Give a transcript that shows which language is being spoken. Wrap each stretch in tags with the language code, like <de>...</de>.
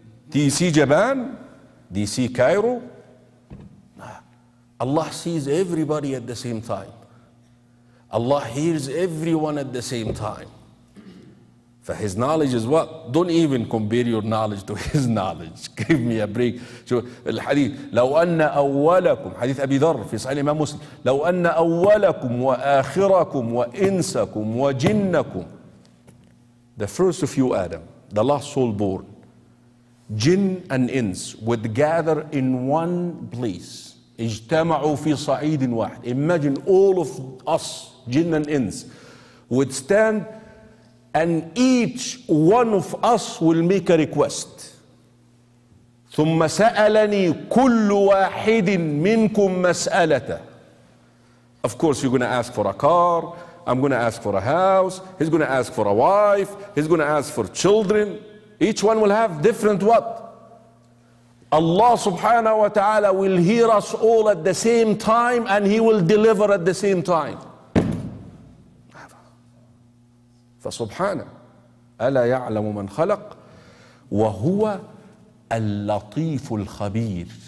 <en>Do you see Japan? Do you see Cairo? Allah sees everybody at the same time. Allah hears everyone at the same time. For His knowledge is what? Don't even compare your knowledge to His knowledge. Give me a break.</en> <ar>So الحديث, لو أن أولكم, حديث أبي ذر في صحيح الإمام مسلم, لو أن أولكم وآخركم وإنسكم وجنكم,</ar> <en>the first of you Adam, the last soul born, jinn and ins would gather in one place.</en> <ar>اجتمعوا في صعيد واحد.</ar> <en>Imagine all of us, jinn and ins, would stand and each one of us will make a request.</en> <ar>ثم سألني كل واحد منكم مسألته.</ar> <en>Of course, you're going to ask for a car. I'm going to ask for a house. He's going to ask for a wife. He's going to ask for children. Each one will have different what? Allah subhanahu wa ta'ala will hear us all at the same time and He will deliver at the same time.</en> <ar>فسبحانه ألا يعلم من خلق وهو اللطيف الخبير.</ar>